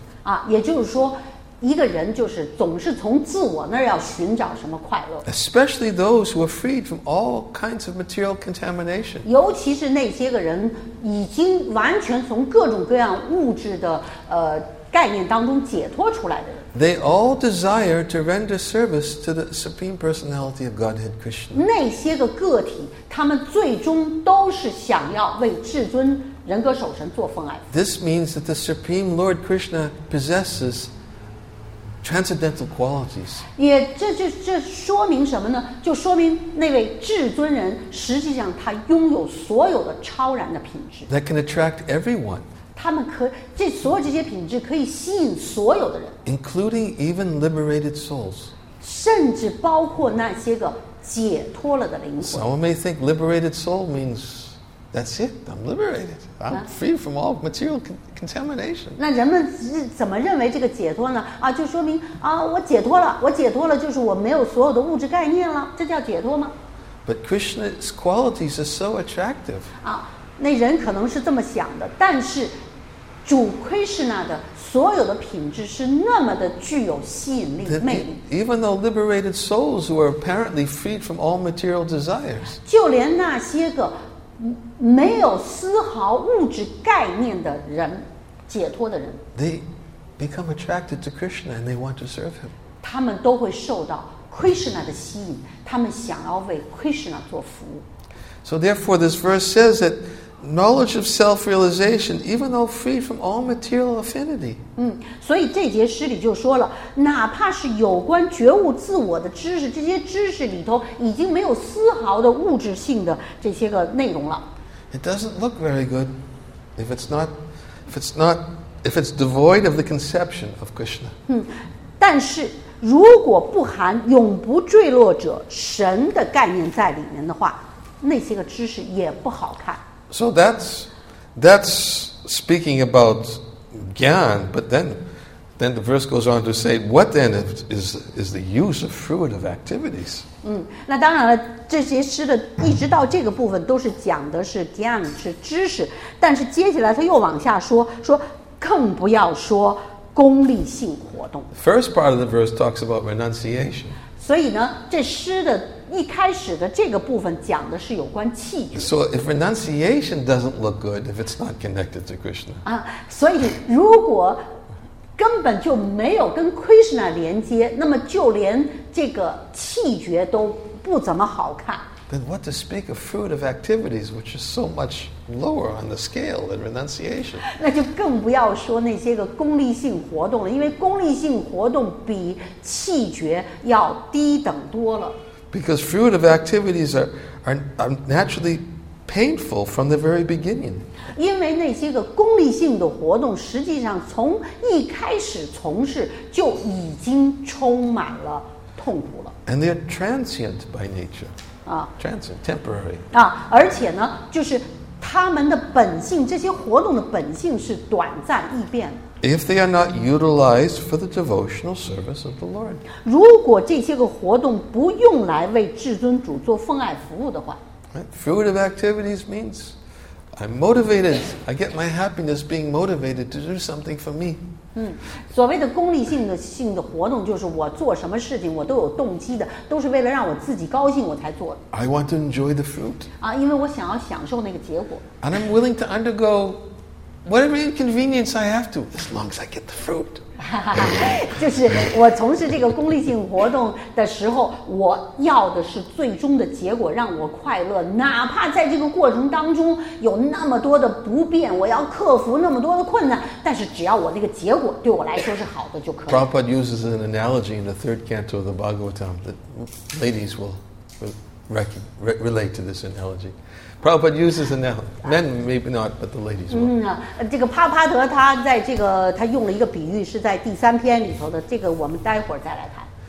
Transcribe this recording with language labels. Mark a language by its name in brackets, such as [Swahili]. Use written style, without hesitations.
[Chinese] 啊，也就是说，一个人就是总是从自我那儿要寻找什么快乐。 [English] Especially those who are freed from all kinds of material contamination. [Chinese] 尤其是那些个人已经完全从各种各样物质的概念当中解脱出来的人。 [English] They all desire to render service to the Supreme Personality of Godhead Krishna. [Chinese] 那些个个体，他们最终都是想要为至尊人格守神做奉爱。 [English] This means that the Supreme Lord Krishna possesses. Transcendental qualities. [Chinese] 也这说明什么呢？就说明那位至尊人实际上他拥有所有的超然的品质。 [English] That can attract everyone. [Chinese] 他们可这所有这些品质可以吸引所有的人。 [English] Including even liberated souls. [Chinese] 甚至包括那些个解脱了的灵魂。 [English] Someone may think liberated soul means that's it. I'm liberated. I'm free from all material contamination. [Chinese] 那人们怎么认为这个解脱呢？啊，就说明啊，我解脱了，我解脱了，就是我没有所有的物质概念了，这叫解脱吗？ [English] But Krishna's qualities are so attractive. [Chinese] 啊，那人可能是这么想的，但是主 Krishna 的所有的品质是那么的具有吸引力、魅力。 [English] Even though liberated souls who are apparently freed from all material desires. [Chinese] 就连那些个没有丝毫物质概念的人，解脱的人 [English] ，they become attracted to Krishna and they want to serve him. [Chinese] 他们都会受到 Krishna 的吸引，他们想要为 Krishna 做服务。 [English] So therefore, this verse says that knowledge of self-realization, even though free from all material affinity, [Chinese] 所以这节诗里就说了，哪怕是有关觉悟自我的知识，这些知识里头已经没有丝毫的物质性的这些个内容了。 [English] It doesn't look very good if it's not, if it's not, if it's devoid of the conception of Krishna. [Chinese] 但是如果不含永不坠落者神的概念在里面的话，那些个知识也不好看。 [English] So that's speaking about gyan. But then the verse goes on to say, what then is the use of fruitive activities? [Chinese] 那当然了。这些诗的一直到这个部分都是讲的是 gyan 是知识，但是接下来他又往下说，说更不要说功利性活动。 [English] First part of the verse talks about renunciation. [Chinese] 所以呢，这诗的一开始的这个部分讲的是有关弃绝。 [English] So if renunciation doesn't look good, if it's not connected to Krishna. [Chinese] 所以如果根本就没有跟 Krishna 连接，那么就连这个弃绝都。不怎么好看。 [English] Then what to speak of fruit of activities which is so much lower on the scale than renunciation? [Chinese] 那就更不要说那些个功利性活动了，因为功利性活动比弃绝要低等多了。 [English] Because fruit of activities are naturally painful from the very beginning. [Chinese] 因为那些个功利性的活动，实际上从一开始从事就已经充满了。 [English] And they are transient by nature. Transient, temporary. [Chinese] 而且呢，就是他们的本性，这些活动的本性是短暂易变。 [English] If they are not utilized for the devotional service of the Lord. [Chinese] 如果这些个活动不用来为至尊主做奉爱服务的话。 [English] Fruit of activities means I'm motivated. I get my happiness being motivated to do something for me. [Chinese] 所谓的功利性的活动，就是我做什么事情我都有动机的，都是为了让我自己高兴我才做的。 [English] I want to enjoy the fruit. [Chinese] 啊，因为我想要享受那个结果。 [English] And I'm willing to undergo whatever inconvenience I have to, as long as I get the fruit. [Chinese] 就是我从事这个功利性活动的时候，我要的是最终的结果让我快乐，哪怕在这个过程当中有那么多的不便，我要克服那么多的困难，但是只要我那个结果对我来说是好的就可以。 [English] Prabhupada uses an analogy in the third canto of the Bhagavatam that ladies will relate to this analogy. Prabhupada uses an analogy. Men maybe not, but the ladies will. [Chinese] 这个帕帕德他在这个他用了一个比喻，是在第三篇里头的，这个我们待会儿再来谈。